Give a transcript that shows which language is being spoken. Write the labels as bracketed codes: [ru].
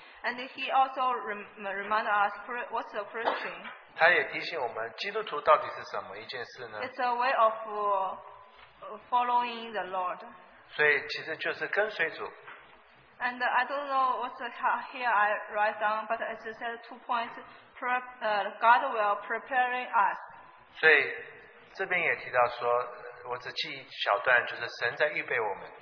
[en] And he also remind us what's the first thing. [zh] 他也提醒我们基督徒到底是什么一件事呢? [en] It's a way of following the Lord. [zh] 所以其实就是跟随主. [en] And I don't know what's here I write down, but as I said, two points. God will prepare us. [zh] 所以这边也提到说，我只记一小段，就是神在预备我们.